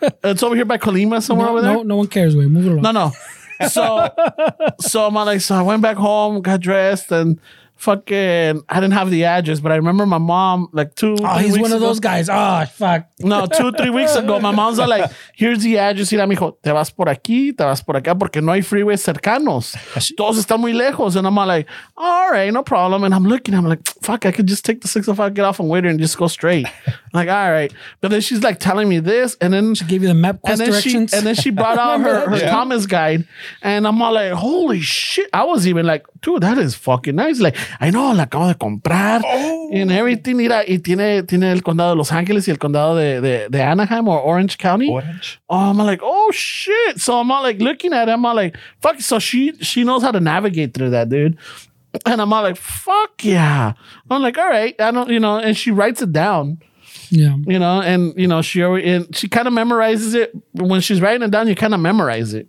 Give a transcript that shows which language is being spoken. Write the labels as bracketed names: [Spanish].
[English] It's over here by Colima somewhere over there. No one cares, we move it along. No. So I went back home, got dressed, and fucking I didn't have the address, but I remember my mom like two or three weeks ago, my mom's like, here's the address. [Spanish] Y la mijo, te vas por aquí, te vas por acá, porque no hay freeways cercanos, todos están muy lejos. [English] And I'm like, all right, no problem. And I'm like fuck, I could just take the 605, get off and wait and just go straight. I'm like, all right. But then she's like telling me this, and then she gave you the map quest and then directions. She brought out her Thomas guide, and I'm like, holy shit. I was even like, dude, that is fucking nice. Like, I know, [Spanish] la acabo de comprar. [English] Oh. And everything. [Spanish] Mira, y tiene el condado de Los Ángeles y el condado de Anaheim [English] or Orange County. Orange. Oh, I'm like, oh, shit. So I'm like looking at it. I'm like, fuck. So she knows how to navigate through that, dude. And I'm like, fuck yeah. I'm like, all right. I don't, you know, and she writes it down. Yeah. You know, and, you know, she kind of memorizes it. When she's writing it down, you kind of memorize it.